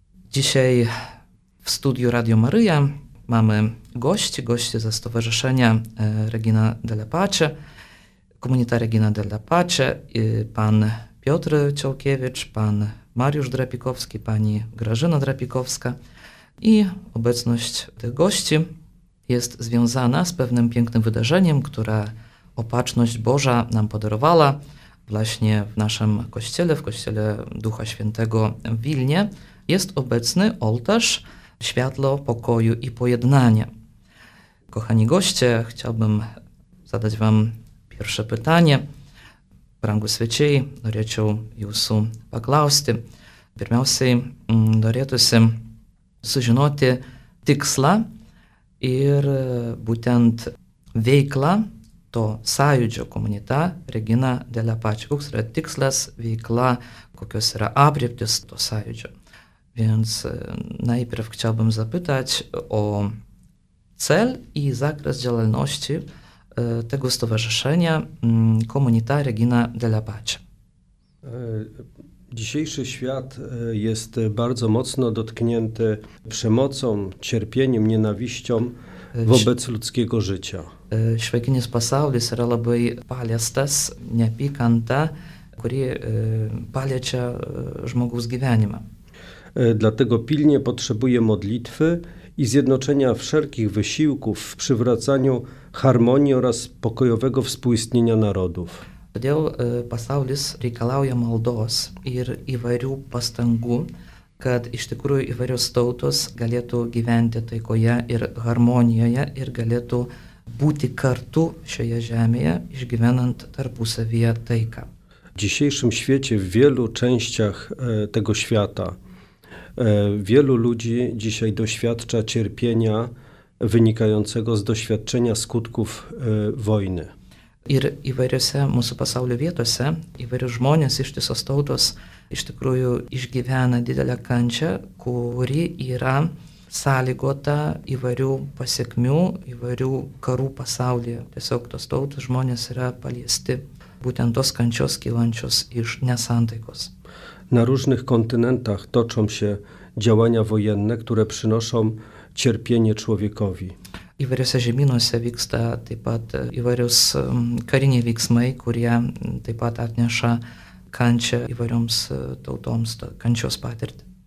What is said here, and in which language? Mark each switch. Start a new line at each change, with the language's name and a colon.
Polish: Dzisiaj w studiu Radio Maryja mamy gości ze Stowarzyszenia Regina della Pace, Comunità Regina della Pace, pan Piotr Cielkevič, pan Marius Drapikovski, pani Grażyna Drapikowska i obecność tych gości jest związana z pewnym pięknym wydarzeniem, które opatrzność Boża nam podarowała właśnie w naszym kościele, w kościele Ducha Świętego w Wilnie. Jest obecny ołtarz Światło Pokoju i Pojednania. Kochani goście, chciałbym zadać wam pierwsze pytanie.
Lithuanian: Brangūs svečiai, norėčiau jūsų paklausti. Pirmiausiai norėtųsi sužinoti tikslą ir būtent veiklą to sąjūdžio Comunità Regina della Pace. Koks yra tikslas, veikla, kokios yra aprėptis to sąjūdžio.
Polish: Więc najpierw chciałbym zapytać o cel i zakres działalności tego stowarzyszenia Comunità Regina della Pace. Dzisiejszy świat jest bardzo mocno dotknięty przemocą, cierpieniem, nienawiścią wobec ludzkiego życia.
Lithuanian: Šiuolaikinis pasaulis yra labai paliestas neapykanta, kuri paliečia žmogaus gyvenimą.
Polish: Dlatego pilnie potrzebuje modlitwy i zjednoczenia wszelkich wysiłków w przywracaniu harmonii oraz pokojowego współistnienia narodów.
Lithuanian: Todėl pasaulis reikalauja maldos ir įvairių pastangų, kad iš tikrųjų įvairios tautos galėtų gyventi taikoje ir harmonijoje ir galėtų būti kartu šioje žemėje, išgyvenant tarpusavyje taiką.
Polish: Dzisiejszym świecie w wielu częściach tego świata wielu ludzi dzisiaj doświadcza cierpienia wynikającego z doświadczenia skutków wojny.
Lithuanian: Ir įvairiose mūsų pasaulio vietose, įvairių žmonės iš tiesos tautos iš tikrųjų išgyvena didelę kančią, kuri yra sąlygota įvairių pasiekmių, įvairių karų pasaulyje. Tiesiog tos tautos žmonės yra paliesti būtent tos kančios kylančios iš nesantaikos.
Polish: Na różnych kontynentach toczą się działania wojenne, które przynoszą cierpienie człowiekowi.
Lithuanian: Įvairiose žemynuose vyksta taip pat įvairius kariniai veiksmai, kurie taip pat atneša kančią įvairioms tautoms, kančios patirtį.